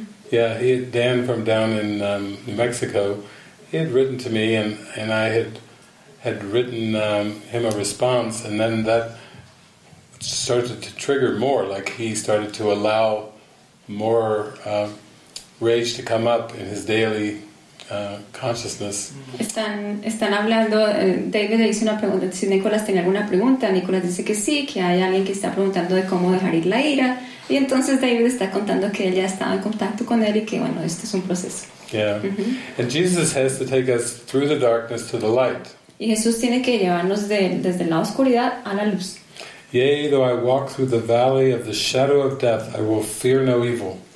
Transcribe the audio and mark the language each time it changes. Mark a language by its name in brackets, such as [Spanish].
[English] Yeah, Dan from down in New Mexico, he had written to me, and I had written him a response, and then that started to trigger more, like he started to allow more rage to come up in his daily consciousness. [Spanish] Están hablando, David hizo una pregunta, si Nicolás tiene alguna pregunta, Nicolás dice que sí, que hay alguien que está preguntando de cómo dejar ir la ira, y entonces David está contando que él ya estaba en contacto con él y que bueno, esto es un proceso. [English] Yeah, and Jesus has to take us through the darkness to the light. [Spanish] Y Jesús tiene que llevarnos desde la oscuridad a la luz. [English] Yea, though I walk through the valley of the shadow of death, I will fear no evil.